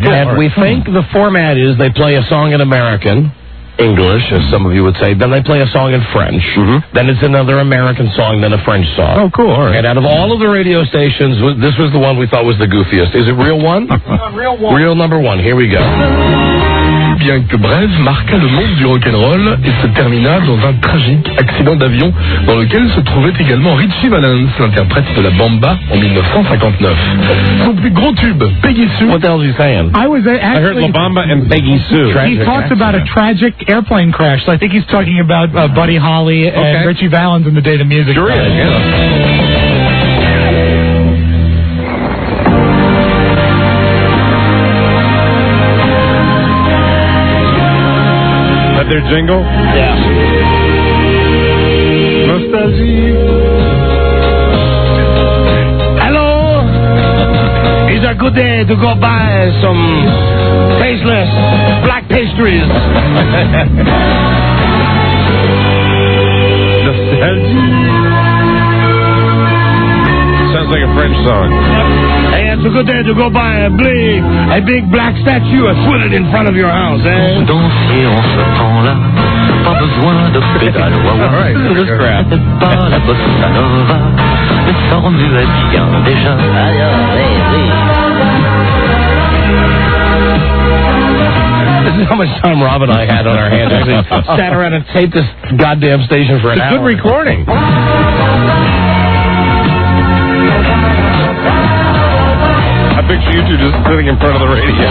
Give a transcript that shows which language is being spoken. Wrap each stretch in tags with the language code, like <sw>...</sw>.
<en>Okay. And we think the format is they play a song in American... English, as some of you would say. Then they play a song in French. Mm-hmm. Then it's another American song, then a French song. Oh, cool. All right. And out of all of the radio stations, this was the one we thought was the goofiest. Is it Real One? Real One. Real number one. Here we go.</en> <fr>Bien que Brève marqua le monde du rock'n'roll et se termina dans un tragique accident d'avion dans lequel se trouvait également Richie Valens, l'interprète de la Bamba en 1959. Son plus grand tube, Peggy Sue.</fr> <en>What the hell is he saying? I heard La Bamba and Peggy Sue. He talks about a tragic airplane crash, so I think he's talking about Buddy Holly and Richie Valens in the Day the Music. Sure is, their jingle? Yeah. Most Hello. It's a good day to go buy some tasteless black pastries. Sounds like a French song. Hey, it's a good day to go buy a big black statue and put it in front of your house, eh?</en> <fr>Danser en ce temps-là, pas besoin de pédale.</fr> <en>All right, this is crap.</en> <fr>C'est pas la bossa nova, mais formule bien déjà.</fr> <en>How much time Rob and I had on our hands. Actually sat around and taped this goddamn station for an hour. It's a good recording. I picture you two just sitting in front of the radio.</en>